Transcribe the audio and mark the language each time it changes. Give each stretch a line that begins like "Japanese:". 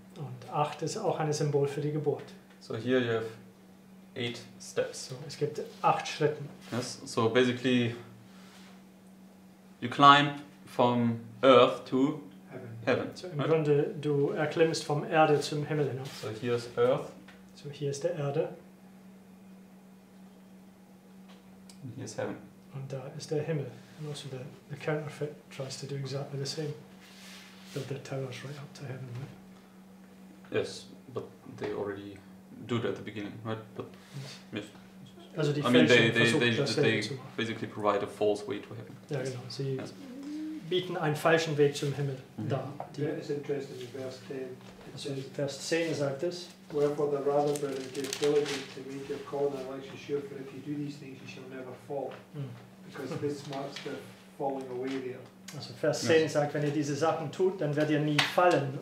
German: Und 8 ist auch ein Symbol für die Geburt.
English: So here you have 8 steps.
German: So es gibt 8 Schritten.
English: Yes, so basically you climb from earth to heaven.
German: So im Grunde du erklimmst vom Erde zum Himmel hinauf.
English: So here is earth.
German: So hier ist der Erde.
English: And here is heaven.
German: Und da ist der Himmel.
English: And also the counterfeit tries to do exactly the same. Build their towers right up to heaven. Right? Yes, but they already do that at the beginning, right? But yes.
German: Also die
English: they basically provide a false way to heaven.
German: Ja, genau. Sie bieten einen falschen Weg zum Himmel da.
English: That is interesting in verse 10.
German: Also Vers 10 sagt es.
English: Wherefore the rather brethren give diligence to make your call and election sure, for if you do these things you shall never fall. Because this marks the falling away there.
German: Also Vers 10 sagt, wenn ihr diese Sachen tut, dann werdet ihr nie fallen.